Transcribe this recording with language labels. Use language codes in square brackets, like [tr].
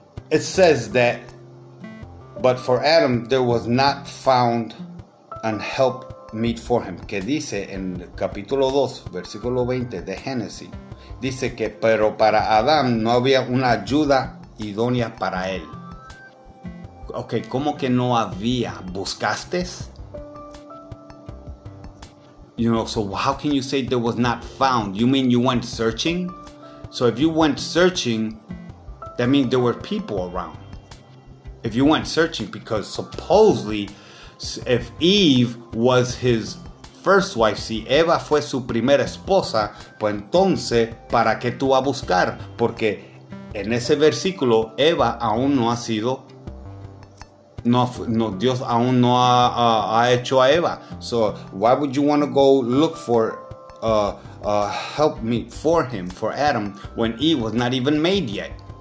[en] It says that, but for Adam there was not found an help meet for him. [es] Que dice en el capítulo 2, versículo 20 de Génesis. Dice que, pero para Adán no había una ayuda idónea para él. Ok, ¿cómo que no había? ¿Buscaste? [en] You know, so how can you say there was not found? You mean you went searching? So if you went searching, that means there were people around. If you went searching, because supposedly, if Eve was his first wife, [es] si Eva fue su primera esposa, pues entonces, ¿para qué tú vas a buscar? Porque en ese versículo, Eva aún no ha sido... No, Dios aún no ha hecho a Eva. [en] So why would you want to go look for help me for him, for Adam, when Eve was not even made yet?